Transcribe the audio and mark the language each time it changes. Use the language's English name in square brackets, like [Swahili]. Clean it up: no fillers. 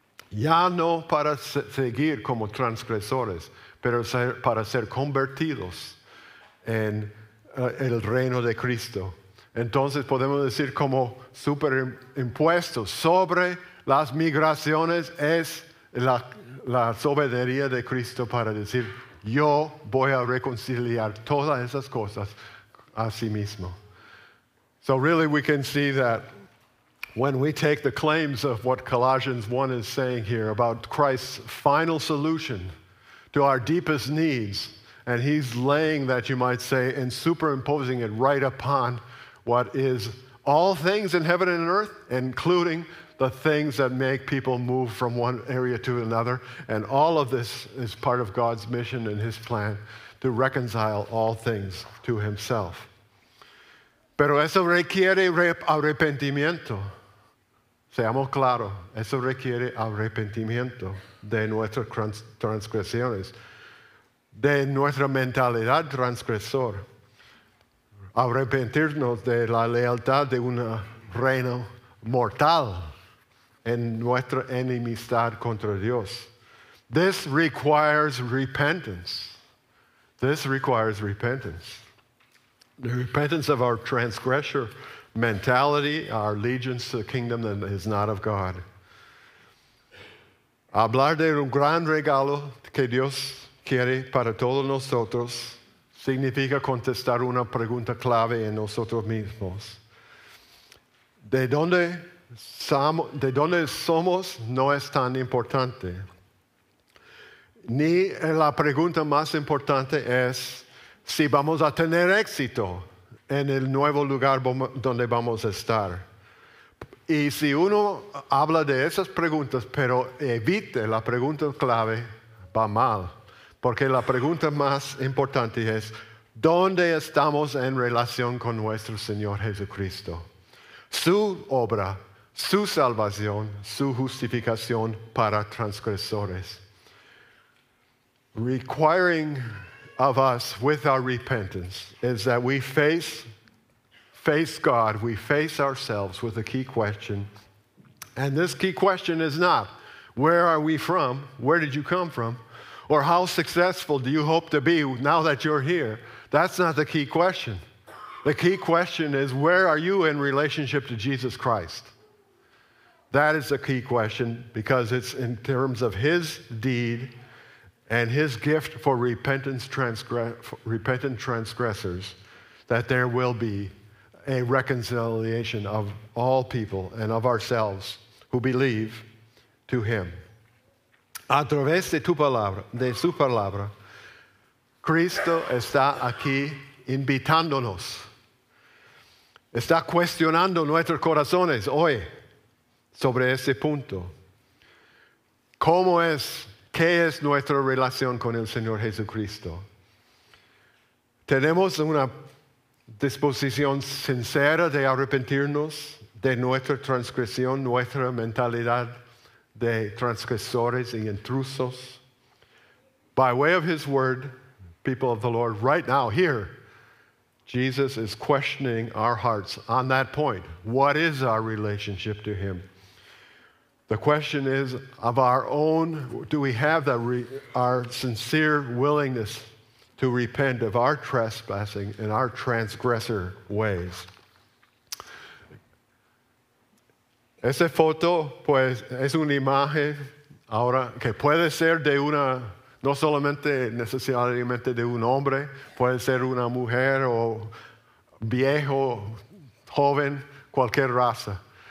[Spanish] Ya no para seguir como transgresores, pero para ser convertidos en el reino de Cristo. Entonces podemos decir como superimpuestos sobre las migraciones es la soberanía de Cristo para decir, yo voy a reconciliar todas esas cosas a sí mismo. [English] So really we can see that when we take the claims of what Colossians 1 is saying here about Christ's final solution to our deepest needs, and he's laying that, you might say, and superimposing it right upon what is all things in heaven and earth, including the things that make people move from one area to another. And all of this is part of God's mission and his plan to reconcile all things to himself. [Spanish] Pero eso requiere arrepentimiento. Seamos claros, eso requiere arrepentimiento de nuestras transgresiones, de nuestra mentalidad transgresor. Arrepentirnos de la lealtad de un reino mortal en nuestra enemistad contra Dios. [English] This requires repentance. This requires repentance. The repentance of our transgressor mentality, our allegiance to the kingdom that is not of God. [Spanish] Hablar de un gran regalo que Dios quiere para todos nosotros significa contestar una pregunta clave en nosotros mismos. De dónde somos no es tan importante. Ni la pregunta más importante es si vamos a tener éxito en el nuevo lugar donde vamos a estar. Y si uno habla de esas preguntas, pero evite la pregunta clave, va mal. Porque la pregunta más importante es, ¿dónde estamos en relación con nuestro Señor Jesucristo? Su obra, su salvación, su justificación para transgresores. [English] Requiring of us with our repentance is that we face God, we face ourselves with a key question. And this key question is not, where are we from? Where did you come from? Or how successful do you hope to be now that you're here? That's not the key question. The key question is, where are you in relationship to Jesus Christ? That is the key question, because it's in terms of his deed and his gift for repentant transgressors that there will be a reconciliation of all people and of ourselves who believe to him. [Spanish] A través de tu palabra, de su palabra, Cristo está aquí invitándonos. Está cuestionando nuestros corazones hoy sobre este punto. ¿Cómo es? ¿Qué es nuestra relación con el Señor Jesucristo? ¿Tenemos una disposición sincera de arrepentirnos de nuestra transgresión, nuestra mentalidad de transgresores y intrusos? [English] By way of his word, people of the Lord, right now, here, Jesus is questioning our hearts on that point. What is our relationship to him? The question is of our own, do we have our sincere willingness to repent of our trespassing and our transgressor ways? [Spanish] Esa foto, pues, es una imagen ahora que puede ser de una, no solamente necesariamente de un hombre, puede ser una mujer o viejo, joven, cualquier raza.